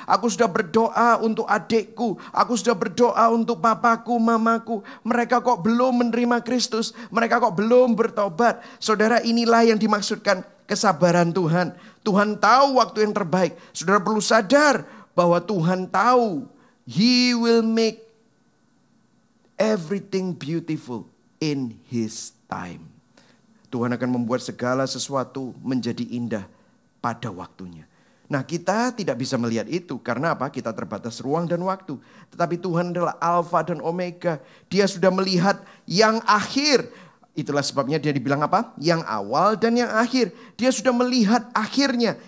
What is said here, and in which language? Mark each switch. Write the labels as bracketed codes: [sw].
[id] Aku sudah berdoa untuk adikku. Aku sudah berdoa untuk papaku, mamaku. Mereka kok belum menerima Kristus? Mereka kok belum bertobat? Saudara inilah yang dimaksudkan kesabaran Tuhan. Tuhan tahu waktu yang terbaik. Saudara perlu sadar bahwa Tuhan tahu. [en] He will make everything beautiful in his time. [id] Tuhan akan membuat segala sesuatu menjadi indah pada waktunya. Nah kita tidak bisa melihat itu. Karena apa? Kita terbatas ruang dan waktu. Tetapi Tuhan adalah Alfa dan Omega. Dia sudah melihat yang akhir. Itulah sebabnya dia dibilang apa? Yang awal dan yang akhir. Dia sudah melihat akhirnya.